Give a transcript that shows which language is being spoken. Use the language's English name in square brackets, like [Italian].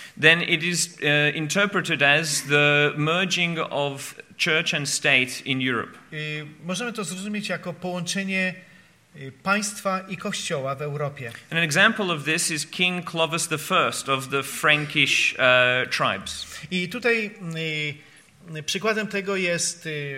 [English] then it is interpreted as the merging of church and state in Europe. [Polish] Możemy to zrozumieć jako połączenie państwa i kościoła w Europie. [English] And an example of this is King Clovis I of the Frankish tribes. [Polish] I tutaj przykładem tego jest